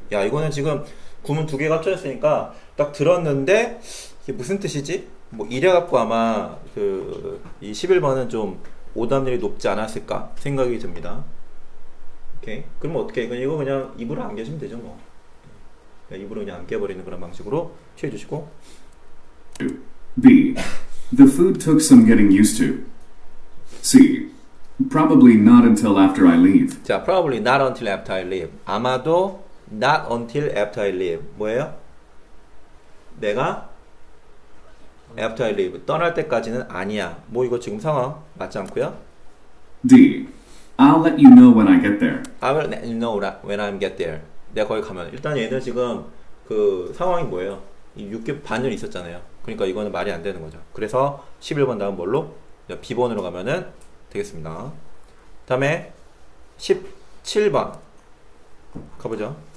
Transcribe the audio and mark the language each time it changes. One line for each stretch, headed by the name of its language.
Korean: 야, 이거는 지금 구문 두 개가 합쳐졌으니까 딱 들었는데 이게 무슨 뜻이지? 뭐 이래갖고 아마 그 이 11번은 좀 오답률이 높지 않았을까 생각이 듭니다. 오케이. 그럼 어떻게? 이거 그냥 입으로 안겨주시면 되죠, 뭐. 그냥 입으로 그냥 안겨버리는 그런 방식으로 취해주시고.
English: B. The food took some getting used to. C. Probably not until after I leave. 자, probably not until after I leave. 아마도 not until after I leave.
Korean: 뭐예요? 내가
English: after I leave.
Korean: 떠날 때까지는 아니야. 뭐 이거 지금 상황 맞지 않고요?
English: D. I'll let you know when I get there. I will let you know when I get there.
Korean: 내가 거기 가면. 일단 얘는 지금 그 상황이 뭐예요? 6개 반을 있었잖아요. 그러니까 이거는 말이 안 되는 거죠. 그래서 11번 다음 뭘로? 비번으로 가면은 되겠습니다. 다음에 17번 가보죠.